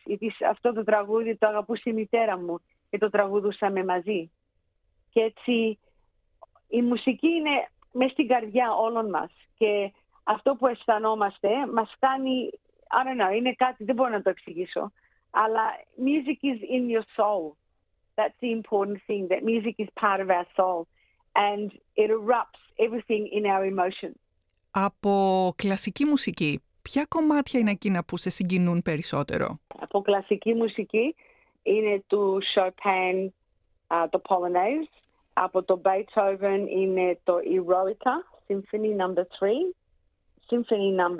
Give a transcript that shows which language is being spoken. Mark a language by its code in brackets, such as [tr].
[el] Γιατί αυτό το τραγούδι το αγαπούσε η μητέρα μου και το τραγουδούσαμε μαζί. Και έτσι η μουσική είναι μέσα στην καρδιά όλων μας και αυτό που αισθανόμαστε μας κάνει, [en] I don't know, [el] είναι κάτι, δεν μπορώ να το εξηγήσω, αλλά [en] music is in your soul. That's the important thing, that music is part of our soul. And it erupts everything in our emotion. [el] Από κλασική μουσική, ποια κομμάτια είναι εκείνα που σε συγκινούν περισσότερο? Από κλασική μουσική είναι του Chopin, το Polonaise. Από το Beethoven είναι το Eroica, Symphony No. 3. Symphony No.